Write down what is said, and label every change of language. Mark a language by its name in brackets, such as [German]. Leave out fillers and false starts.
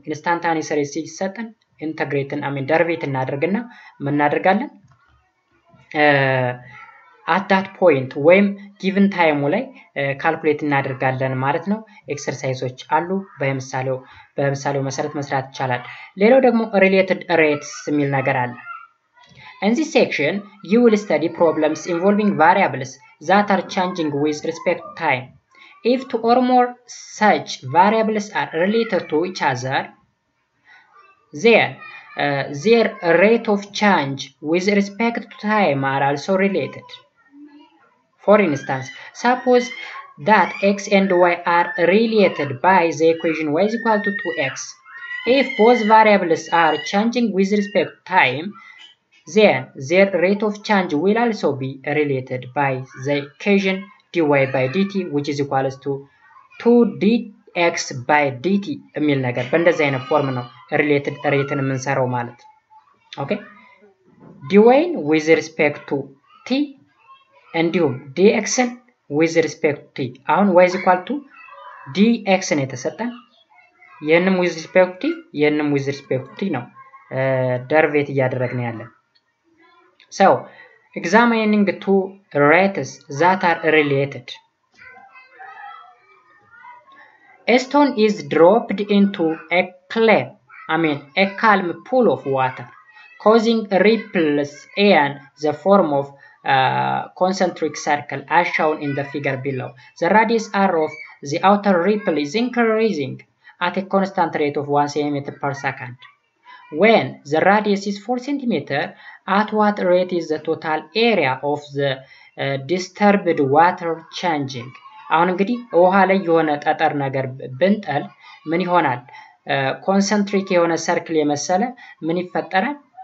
[English] instantaneous rate [Amharic] ሲሰጠን [English] integrate and derivate [Amharic] እናደርግና ምናደርጋለን? [English] At that point when given time [Amharic] ላይ [English] calculate [Amharic] እናደርጋለን ማለት ነው. exercises አሉ በምሳሌው መሰረት መስራት ይቻላል. ሌላው ደግሞ related rates የሚል ነገር አለ. [English] In this section you will study problems involving variables that are changing with respect to time. If two or more such variables are related to each other, their rate of change with respect to time are also related. For instance, suppose that x and y are related by the equation y is equal to 2x. If both variables are changing with respect to time, then their rate of change will also be related by the equation dy by dt, which is equal to 2dx by dt. [Amharic] የሚል ነገር በእንደዚህ አይነት ፎርም ነው related rate ነው የምንሰራው ማለት. [English] Okay? dy with respect to t and dx with respect to t. [Amharic] አሁን [English] y is equal to dx [Amharic] ነው የተሰጠን. የነም [English] with respect to t የነም with respect to t [Amharic] ነው [English] derivative [Amharic] እያደረግን ያለን. [English] So, examining two rates that are related. A stone is dropped into a clay, a calm pool of water, causing ripples in the form of concentric circle as shown in the figure below. The radius r of the outer ripple is increasing at a constant rate of 1 cm per second. When the radius is 4 cm, at what rate is the total area of the disturbed water changing? [Amharic] አሁን እንግዲህ ውሃ ላይ የሆነ ጠጠር ነገር ብንጠል ምን ይሆናል? ኮንሰንትሪክ የሆነ ሰርክል የመሰለ ምን ይፈጠራል?